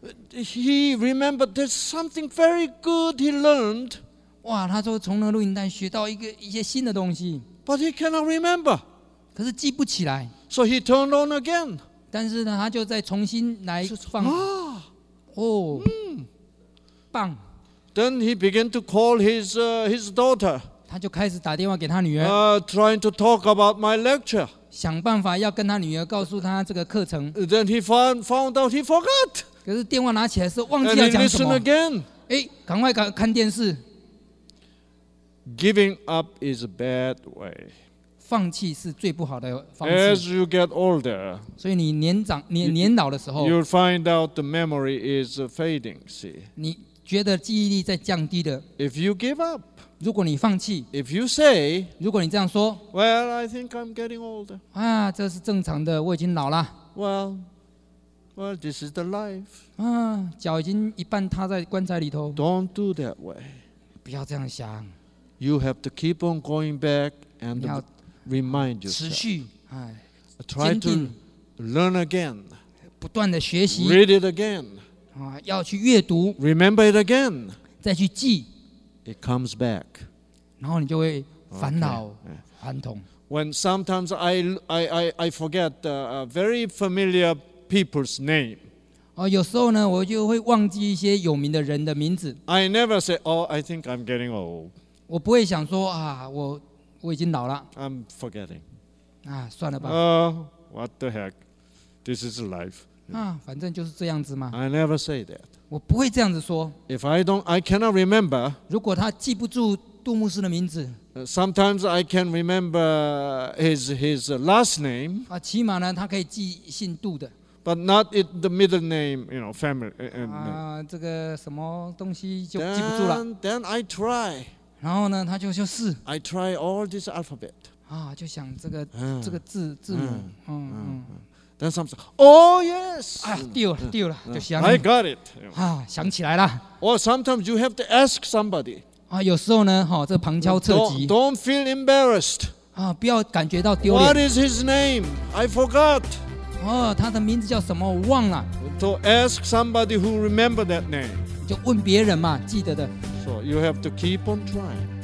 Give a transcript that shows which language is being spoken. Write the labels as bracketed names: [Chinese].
[English] He remembered there's something very good he learned. [Chinese] 哇，他说从那录音带学到一些新的东西。 [English] But he cannot remember. [Chinese] 可是记不起来。 [English] So he turned on again. [Chinese] 但是呢，他就再重新来放。啊，哦，棒。 [English] Then he began to call his daughter. [Chinese] 他就开始打电话给他女儿。 [English] Trying to talk about my lecture. [Chinese] 想办法要跟他女儿告诉他这个课程。 [English] Then he found out he forgot. [Chinese] 可是电话拿起来是忘记要讲什么。哎，赶快看电视。 [English] Giving up is a bad way. [Chinese] 放弃是最不好的方式。 [English] As you get older, [Chinese] 所以你年老的时候 [English] ，you'll find out the memory is fading. See, [Chinese] 你觉得记忆力在降低的。 [English] If you give up, [Chinese] 如果你放弃 [English] ，if you say, [Chinese] 如果你这样说 [English] ，Well, I think I'm getting older. [Chinese] 啊，这是正常的，我已经老了。 [English] Well. Well, this is the life. [Chinese] 啊，脚已经一半踏在棺材里头。 [English] Don't do that way. [Chinese] 不要这样想。 [English] You have to keep on going back and remind yourself. [Chinese] 持续，哎， [English] try to learn again. [Chinese] 不断的学习。 [English] Read it again. [Chinese] 啊，要去阅读。 [English] Remember it again. [Chinese] 再去记。 [English] It comes back. [Chinese] 然后你就会返老还童。 [English] When sometimes I forget a very familiar. People's name. [Chinese] 哦，有时候呢，我就会忘记一些有名的人的名字。 [English] I never say, "Oh, I think I'm getting old." [Chinese] 我不会想说啊，我已经老了。 [English] I'm forgetting. [Chinese] 啊，算了吧。 [English] What the heck? This is life. [Chinese] 啊，反正就是这样子嘛。 [English] I never say that. [Chinese] 我不会这样子说。 [English] If I don't, I cannot remember. [Chinese] 如果他记不住杜牧师的名字。 [English] Sometimes I can remember his last name. [Chinese] 啊，起码呢，他可以记姓杜的。 [English] But not it, the middle name, you know, family. [Chinese] 啊，这个什么东西就记不住了。 [English] Then I try. [Chinese] 然后呢，他就试。 [English] I try all this alphabet. [Chinese] 啊，就想这个字母。 [English] Then something. Oh yes. [Chinese] 啊，丢了，就想。 [English] I got it. [Chinese] 啊，想起来了。 [English] Or sometimes you have to ask somebody. [Chinese] 啊，有时候呢，哈，这旁敲侧击。 [English] Don't feel embarrassed. [Chinese] 啊，不要感觉到丢脸。 [English] What is his name? I forgot. [Chinese] 哦，他的名字叫什么？我忘了。 [English] To ask somebody who remember that name， [Chinese] 就问别人嘛，记得的。 [English] So you have to keep on trying。